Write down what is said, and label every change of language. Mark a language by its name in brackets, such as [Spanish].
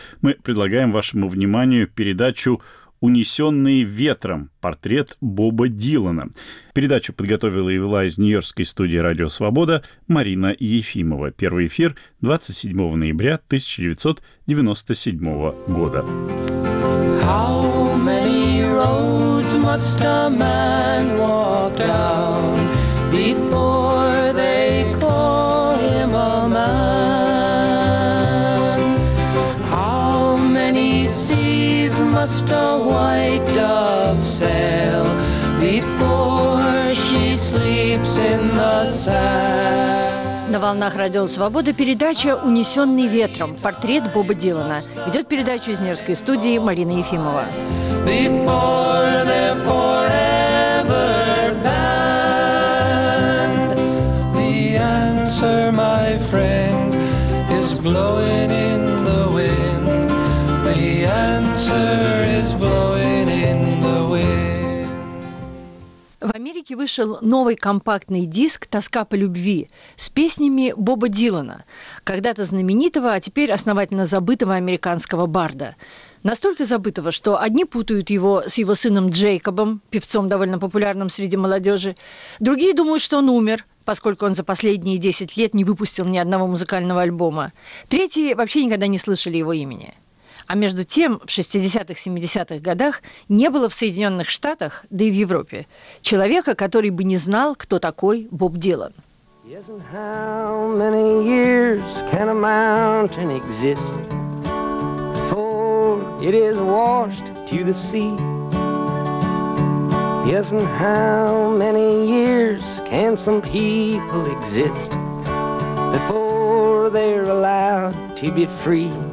[Russian] Мы предлагаем вашему вниманию передачу «Унесенные ветром. Портрет Боба Дилана». Передачу подготовила и вела из Нью-Йоркской студии «Радио Свобода» Марина Ефимова. Первый эфир 27 ноября 1997 года. [English] How many roads must a man walk down before they call him a man? How many seas must a white dove sail before she sleeps in the sand? [Russian] На волнах «Радио Свобода» передача «Унесенный ветром. Портрет Боба Дилана». Ведет передачу из Нью-Йоркской студии Марина Ефимова. В Америке вышел новый компактный диск «Тоска по любви» с песнями Боба Дилана, когда-то знаменитого, а теперь основательно забытого американского барда. Настолько забытого, что одни путают его с его сыном Джейкобом, певцом довольно популярным среди молодежи, другие думают, что он умер, поскольку он за последние 10 лет не выпустил ни одного музыкального альбома, третьи вообще никогда не слышали его имени. А между тем, в 60-70-х годах не было в Соединенных Штатах, да и в Европе, человека, который бы не знал, кто такой Боб Дилан. [English] Yes, and how many years can a mountain exist before it is washed to the sea? Yes, and how many years can some people exist before they're allowed to be free?